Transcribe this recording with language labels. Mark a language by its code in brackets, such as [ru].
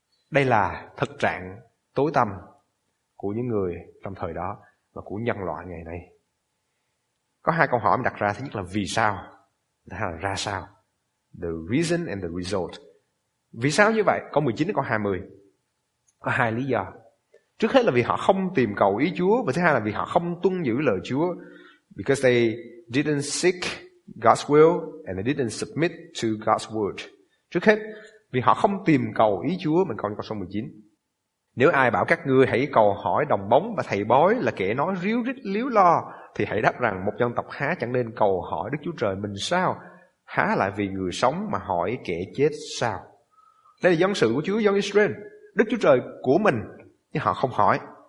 [vi] Đây là thực trạng tối tăm của những người trong thời đó và của nhân loại ngày nay. Có hai câu hỏi mình đặt ra. Thứ nhất là vì sao, thứ hai là ra sao. [en] The reason and the result. [vi] Vì sao như vậy? Câu 19 đến câu 20 có hai lý do. Trước hết là vì họ không tìm cầu ý Chúa, và thứ hai là vì họ không tuân giữ lời Chúa. [en] Because they didn't seek God's will and they didn't submit to God's word. [vi] Trước hết, vì họ không tìm cầu ý Chúa, mình coi câu số 19. Nếu ai bảo các ngươi hãy cầu hỏi đồng bóng và thầy bói là kẻ nói ríu rít líu lo, thì hãy đáp rằng một dân tộc há chẳng nên cầu hỏi Đức Chúa Trời mình sao? Há lại vì người sống mà hỏi kẻ chết sao? Đây là dân sự của Chúa, dân Israel, Đức Chúa Trời của mình, nhưng họ không hỏi.